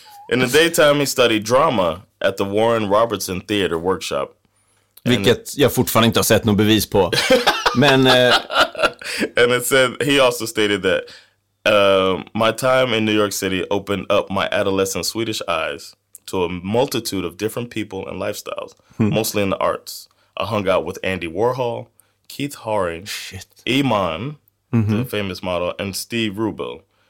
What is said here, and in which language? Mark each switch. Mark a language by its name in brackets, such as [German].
[English] In the daytime, he studied drama at the Warren Robertson Theater Workshop. [Swedish] Vilket jag fortfarande inte har sett något bevis på. Men, [English] and it said, he also stated that, my time in New York City opened up my adolescent Swedish eyes to a multitude of different people and lifestyles, mostly in the arts. I hung out with Andy Warhol, Keith Haring, Iman, the famous model, and Steve Rubel.